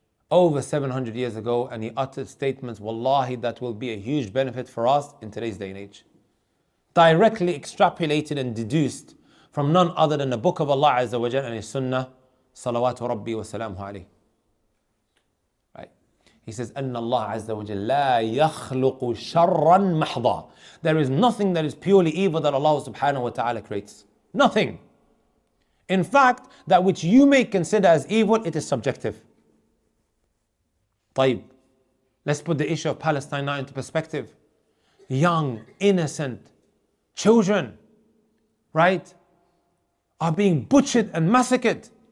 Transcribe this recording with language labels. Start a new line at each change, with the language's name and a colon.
English: Over 700 years ago, and he uttered statements, wallahi, that will be a huge benefit for us in today's day and age. Directly extrapolated and deduced from none other than the book of Allah Azza wa Jal and his sunnah, salawatu rabbi wa salamu alayhi. Right? He says,
Arabic: أَنَّ اللَّهَ عَزَّ وَجَلَّ لَا يَخْلُقُ شَرًّا مَحْضًا.
English: There is nothing that is purely evil that Allah subhanahu wa ta'ala creates. Nothing. In fact, that which you may consider as evil, it is subjective.
Arabic: طيب.
English: Let's put the issue of Palestine now into perspective. Young, innocent children, right, are being butchered and massacred.